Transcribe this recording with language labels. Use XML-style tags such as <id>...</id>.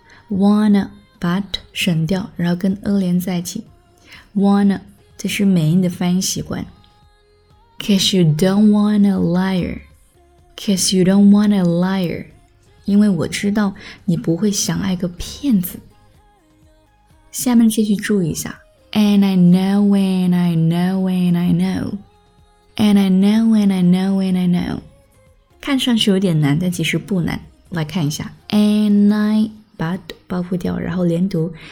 <zh>Wanna, 把 t 省掉然后跟 a 连在一起。 Wanna, 这是美音的发音习惯。</zh> <en>Cause you don't want a liar. Cause you don't want a liar.</en> <zh>因为我知道你不会想爱个骗子。下面继续注意一下。</zh> <en>And I know and I know and I know. And I know and I know and I know.</en> <zh>看上去有点难但其实不难。来看一下。</zh> <en>And I, but,</en> <zh>包覆掉然后连读。</zh>